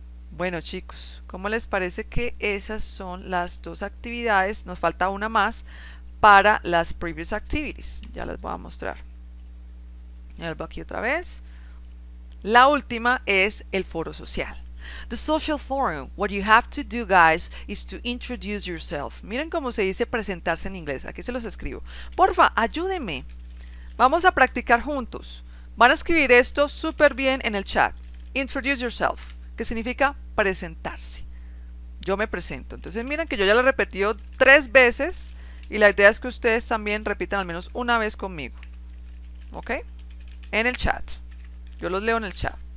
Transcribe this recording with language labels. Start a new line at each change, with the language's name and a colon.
Spanish: Bueno, chicos, ¿cómo les parece que esas son las dos actividades? Nos falta una más para las
English: previous activities.
Spanish: Ya las voy a mostrar. Vuelvo aquí otra vez. La última es el foro social.
English: The social forum. What you have to do, guys, is to introduce yourself.
Spanish: Miren cómo se dice presentarse en inglés. Aquí se los escribo. Porfa, ayúdenme. Vamos a practicar juntos. Van a escribir esto súper bien en el chat.
English: Introduce yourself,
Spanish: que significa presentarse. Yo me presento. Entonces, miren que yo ya lo he repetido 3 veces y la idea es que ustedes también repitan al menos una vez conmigo. ¿Ok? En el chat. Yo los leo en el chat.